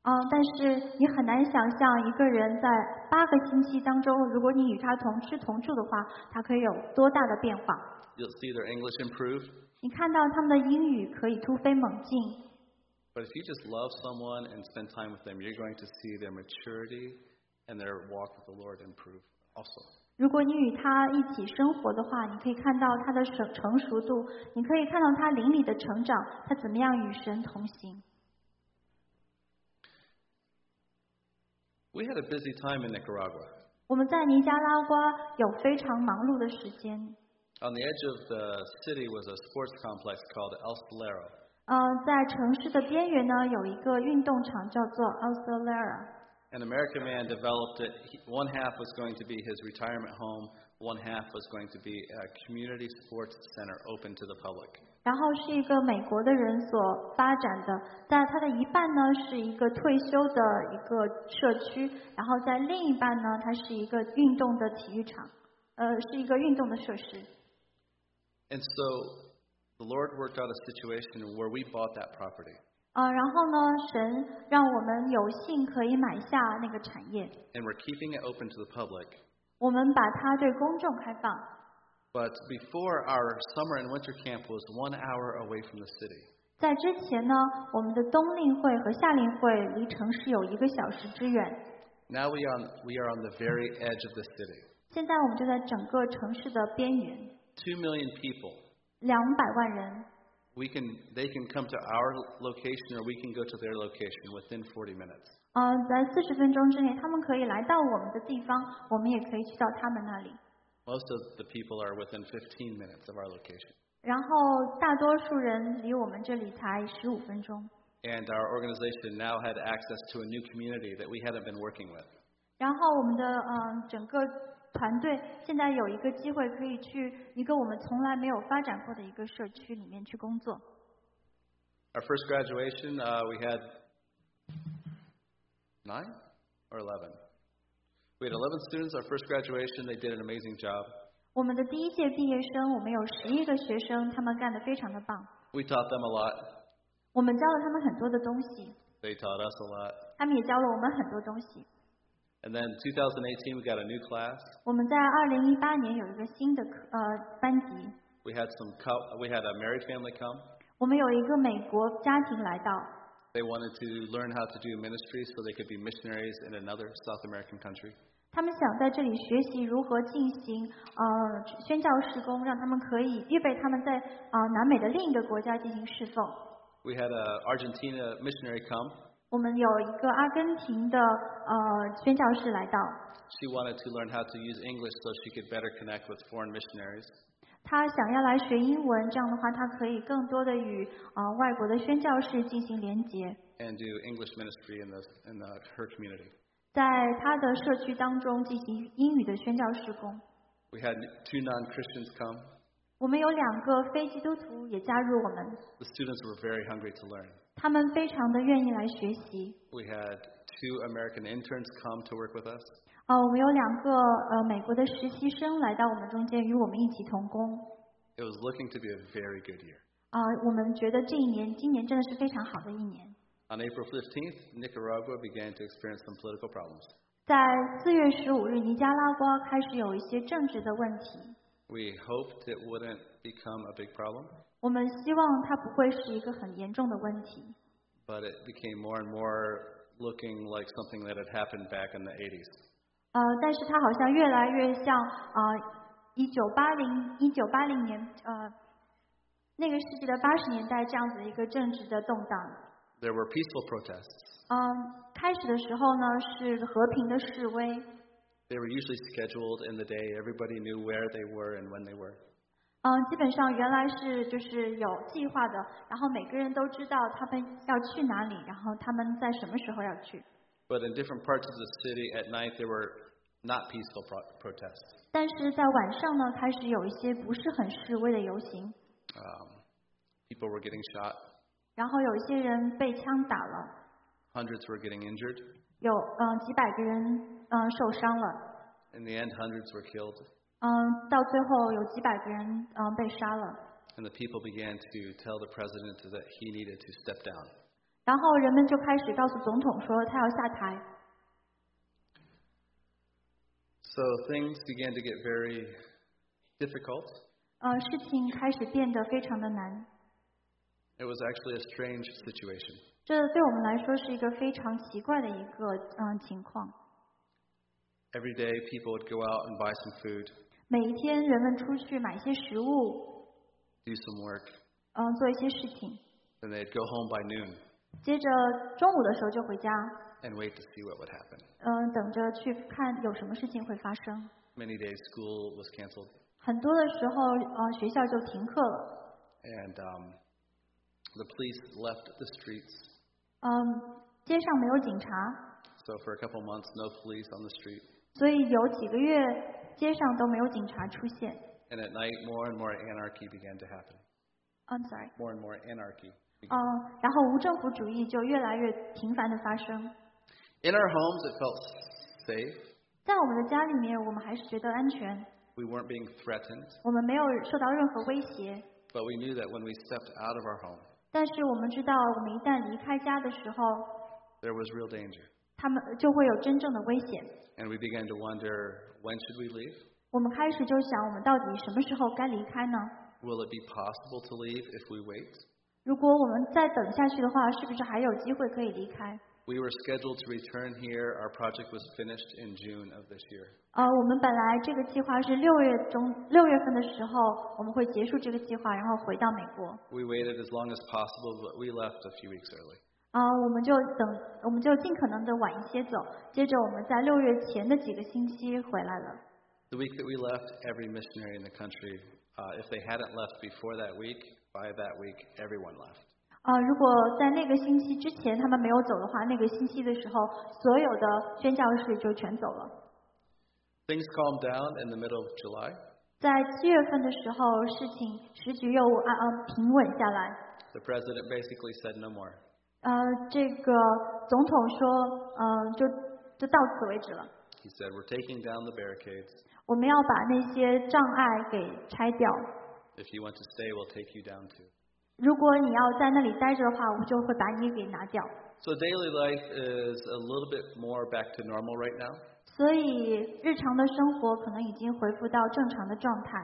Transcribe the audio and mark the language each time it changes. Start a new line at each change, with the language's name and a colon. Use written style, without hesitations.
Chinese: 但是你很难想象一个人在八个星期当中，如果你与他同吃同住的话，他可以有多大的变化。
English: You'll see their English improve.
Chinese: 你看到他们的英语可以突飞猛进。
English: But if you just love someone and spend time with them, you're going to see their maturity and their walk with the Lord improve also.
Chinese: 如果你与他一起生活的话，你可以看到他的成熟度，你可以看到他灵里的成长，他怎么样与神同行。
English: We had a busy time in Nicaragua.
Chinese: 我们在尼加拉瓜有非常忙碌的时间。
English: On the edge of the city was a sports complex called El Solero.
Chinese: 在城市的边缘呢有一个运动场叫做 El Solero.
English: An American man developed it. One half was going to be his retirement home. One half was going to be a community sports center open to the public.
Chinese: 然后是一个美国的人所发展的，在他的一半呢是一个退休的一个社区，然后在另一半呢，它是一个运动的体育场，是一个运动的设施。
English: And so the Lord worked out a situation where we bought that property.
Chinese: 然后呢，神让我们有幸可以买下那个产业。
English: And we're keeping it open to the public.
Chinese: 我们把它对公众开放。
English: But before our summer and winter camp was 1 hour away from the city.
Chinese: 在之前呢，我们的冬令会和夏令会离城市有一个小时之远。
English: Now we are on the very edge of the city.
Chinese: 现在我们就在整个城市的边缘。
English: 2 million people.
Chinese: 200,000人。
English: They can come to our location or we can go to their location within 40 minutes.
Chinese: 在40分钟之内，他们可以来到我们的地方，我们也可以去到他们那里。
English: Most of the people are within 15 minutes of our location.
Chinese: 然后大多数人离我们这里才15分钟。
English: And our organization now had access to a new community that we hadn't been working with.
Chinese: 然后我们的整个团队现在有一个机会可以去一个我们从来没有发展过的一个社区里面去工作。
English: Our first graduation, we had 9 or 11? We had 11 students, our first graduation, they did an amazing job.
Chinese: 我们的第一届毕业生, 我们有11个学生, 他们干得非常的棒。
English: We taught them a lot.
Chinese: 我们教了他们很多的东西。
English: They taught us a lot.
Chinese: 他们也教了我们很多东西。
English: And then 2018, we got a new class.
Chinese: 我们在2018年有一个新的, 班级。
English: We had a married family come.
Chinese: 我们有一个美国家庭来到。
English: They wanted to learn how to do ministry so they could be missionaries in another South American country.
Chinese: 他们想在这里学习如何进行, 宣教事工, 让他们可以预备他们在, 南美的另一个国家进行侍奉。
English: We had an Argentina missionary come.
Chinese: 我们有一个阿根廷的, 宣教士来到。
English: She wanted to learn how to use English so she could better connect with foreign missionaries.
Chinese: 她想要来学英文, 这样的话, 她可以更多的与, 外国的宣教士进行连结。
English: And do English ministry in her community.
Chinese: 在她的社区当中进行英语的宣教事工。
English: We had two non-Christians come.
Chinese: 我们有两个非基督徒也加入我们。
English: The students were very hungry to learn.
Chinese: 他们非常的愿意来学习。
English: We had two American interns come to work with us.
Chinese: 我们有两个, 美国的实习生来到我们中间与我们一起同工。
English: It was looking to be a very good year.
Chinese: 我们觉得这一年真的是非常好的一年。
English: On April 15th, Nicaragua began to experience some political problems.
Chinese: 在4月15日, 尼加拉瓜开始有一些政治的问题。
English: We hoped it wouldn't become a big problem.
Chinese: 我们希望它不会是一个很严重的问题。
English: But it became more and more looking like something that had happened back in the 80s.
Chinese: 但是它好像越来越像, 1980年, 那个世纪的80年代这样子一个政治的动荡。
English: There were peaceful protests.
Chinese: 开始的时候呢, 是和平的示威。
English: They were usually scheduled in the day. Everybody knew where they were and when they were.
Chinese: 基本上原来是就是有计划的, 然后每个人都知道他们要去哪里, 然后他们在什么时候要去。
English: But in different parts of the city at night, there were not peaceful protests.
Chinese: 但是在晚上呢, 开始有一些不是很示威的游行。
English: People were getting shot.
Chinese: 然后有一些人被枪打了。
English: Hundreds were getting injured.
Chinese: 有, 几百个人, 受伤了。
English: In the end, hundreds were killed.
Chinese: 到最后有几百个人, 被杀了。
English: And the people began to tell the president that he needed to step down.
Chinese: 然后人们就开始告诉总统说他要下台。
English: So things began to get very difficult.
Chinese: 事情开始变得非常的难。
English: It was actually a strange situation.
Chinese: 这对我们来说是一个非常奇怪的一个, 情况。
English: Every day people would go out and buy some food.
Chinese: 每一天人们出去买些食物。
English: Do some work.
Chinese: 做一些事情。
English: Then they'd go home by noon.
Chinese: 接着中午的时候就回家。
English: And wait to see what would happen.
Chinese: 等着去看有什么事情会发生。
English: Many days school was canceled.
Chinese: 很多的时候, 学校就停课了。
English: And, the police left the streets.
Chinese: 街上没有警察。
English: So for a couple months, no police on the street.
Chinese: 所以有几个月, 街上都没有警察出现。
English: And at night, more and more anarchy began to happen. I'm sorry. More and more anarchy.
Chinese: 然后无政府主义就越来越频繁的发生。
English: In our homes, it felt safe.
Chinese: 在我们的家里面, 我们还是觉得安全。
English: We weren't being threatened.
Chinese: 我们没有受到任何威胁。
English: But we knew that when we stepped out of our home,
Chinese: 但是我们知道我们一旦离开家的时候,
English: there was real danger.
Chinese: 他们就会有真正的危险。
English: And we began to wonder, when should we leave?
Chinese: 我们开始就想我们到底什么时候该离开呢?
English: Will it be possible to leave if we wait?
Chinese: 如果我们再等下去的话, 是不是还有机会可以离开?
English: We were scheduled to return here. Our project was finished in June of this year.
Chinese: 我们本来这个计划是六月份的时候, 我们会结束这个计划, 然后回到美国。
English: We waited as long as possible, but we left a few weeks early.
Chinese: 我们就尽可能的晚一些走, 接着我们在六月前的几个星期回来了。
English: The week that we left, every missionary in the country, if they hadn't left before that week, by that week, everyone left.
Chinese: 如果在那个星期之前他们没有走的话，那个星期的时候， 所有的宣教士就全走了。
English: Things calmed down in the middle of July.
Chinese: 在7月份的时候，事情时局又平稳下来。
English: The president basically said no more.
Chinese: 这个总统说，就到此为止了。
English: He said, "We're taking down the barricades."
Chinese: 我们要把那些障碍给拆掉。
English: If you want to stay, we'll take you down too.
Chinese: 如果你要在那里待着的话，我就会把你给拿掉。
English: So daily life is a little bit more back to normal right now.
Chinese: 所以日常的生活可能已经恢复到正常的状态。